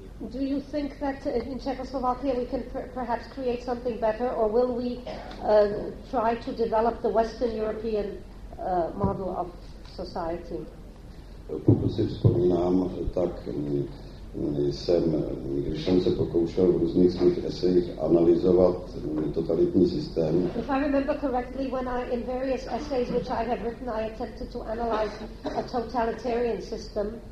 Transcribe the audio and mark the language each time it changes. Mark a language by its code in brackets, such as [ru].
[en] Do you think that in Czechoslovakia we can perhaps create something better, or will we try to develop the Western European model of society? [cs] Pokud si vzpomínám, tak jsem, když jsem se pokoušel v různých svých esejích analyzovat totalitní systém. [en] If I remember correctly, when I, in various essays which I have written, I attempted to analyze a totalitarian system.